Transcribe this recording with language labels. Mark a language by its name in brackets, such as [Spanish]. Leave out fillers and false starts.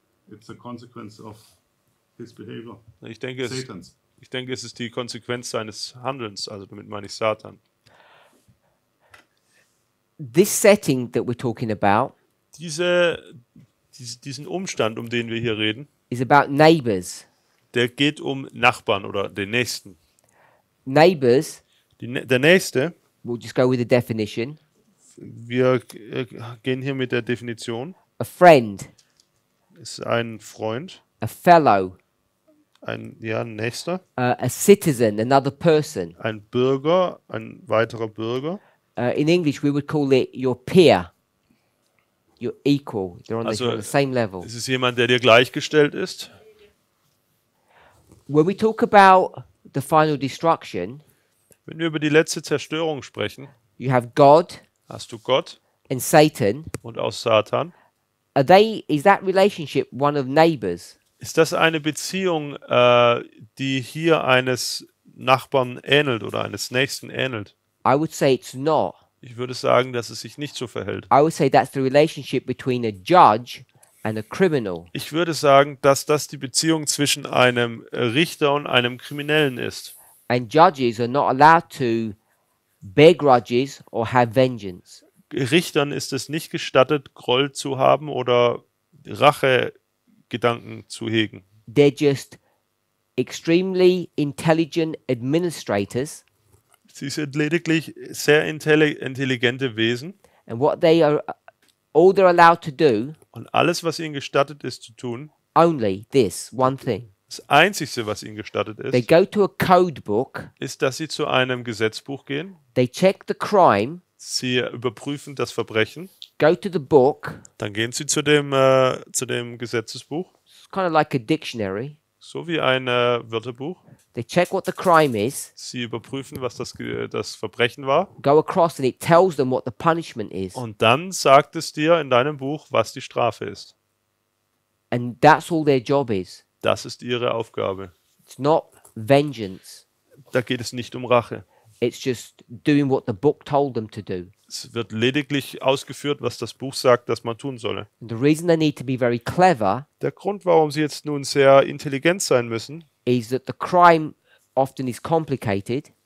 [English] It's a consequence of his behavior. [German] Ich denke, es ist die Konsequenz seines Handelns, also damit meine ich Satan. [English] This setting that we're talking about, [German] diesen Umstand, um den wir hier reden, [English] is about neighbors. [German] Der geht um Nachbarn oder den Nächsten. [English] Neighbors, [German] der Nächste, [English] we'll just go with the definition. [German] Wir gehen hier mit der Definition. [English] A friend. [German] Ist ein Freund. [English] A fellow. [German] Ein Nächster. [English] A citizen, another person. [German] Ein Bürger, ein weiterer Bürger. [English] In English we would call it your peer. Your equal. They're on the same level. [German] Ist es jemand, der dir gleichgestellt ist? [English] When we talk about the final destruction, [German] wenn wir über die letzte Zerstörung sprechen, [English] you have God. [German] Hast du Gott? [English] And Satan. [German] Und auch Satan. [English] Is that relationship one of neighbors? [German] Ist das eine Beziehung, die hier eines Nachbarn ähnelt oder eines Nächsten ähnelt? [English] I would say it's not. [German] Ich würde sagen, dass es sich nicht so verhält. [English] I would say that's the relationship between a judge and a criminal. [German] Ich würde sagen, dass das die Beziehung zwischen einem Richter und einem Kriminellen ist. [English] And judges are not allowed to bear grudges or have vengeance. [German] Richtern ist es nicht gestattet, Groll zu haben oder Rachegedanken zu hegen. [English] They're just extremely intelligent administrators. [German] Sie sind lediglich sehr intelligente Wesen. [English] And what they are, all they're allowed to do. [German] Und alles, was ihnen gestattet ist zu tun. [English] Only this one thing. [German] Das Einzige, was ihnen gestattet ist. [English] They go to a code book. [German] Ist, dass sie zu einem Gesetzbuch gehen. [English] They check the crime. [German] Sie überprüfen das Verbrechen. [English] Go to the book. [German] Dann gehen Sie zu dem Gesetzesbuch. [English] It's kind of like a dictionary. [German] So wie ein Wörterbuch. [English] They check what the crime is. [German] Sie überprüfen, was das Verbrechen war. [English] Go across and it tells them what the punishment is. [German] Und dann sagt es dir in deinem Buch, was die Strafe ist. [English] And that's all their job is. [German] Das ist ihre Aufgabe. [English] It's not vengeance. [German] Da geht es nicht um Rache. [English] It's just doing what the book told them to do. [German] Es wird lediglich ausgeführt, was das Buch sagt, dass man tun solle. [English] And the reason they need to be very clever. [German] Der Grund, warum sie jetzt nun sehr intelligent sein müssen, [English] is that the crime often is complicated.